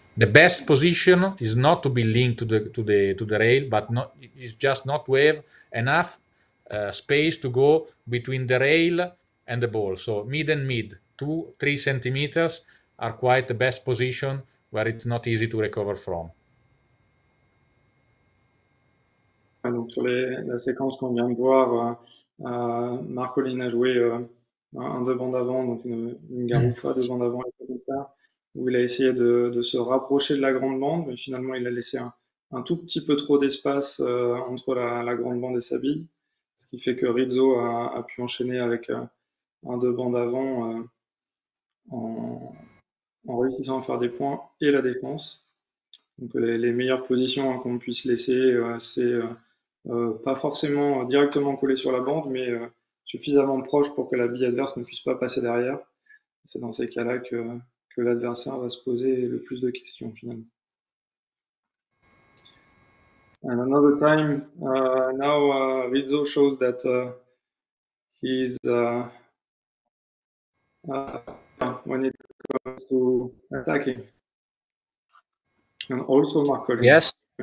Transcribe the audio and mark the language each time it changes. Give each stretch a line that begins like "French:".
English: The best position is not to be linked to the rail, but not, it's just not to have enough space to go between the rail and the ball. So mid and mid, 2-3 centimeters are quite the best position where it's not easy to recover from.
French: Ah, donc sur la séquence qu'on vient de voir, Marcolin a joué un deux bandes avant, donc une garoufa, deux bandes avant, où il a essayé de se rapprocher de la grande bande, mais finalement il a laissé un tout petit peu trop d'espace entre la grande bande et sa bille, ce qui fait que Rizzo a pu enchaîner avec un deux bandes avant en réussissant à faire des points et la défense. Donc les meilleures positions qu'on puisse laisser, c'est pas forcément directement collé sur la bande, mais suffisamment proche pour que la bille adverse ne puisse pas passer derrière. C'est dans ces cas-là que l'adversaire va se poser le plus de questions, finalement.
English: And another time, Rizzo shows that he's when it comes to attacking. And also Marcolin. Yes.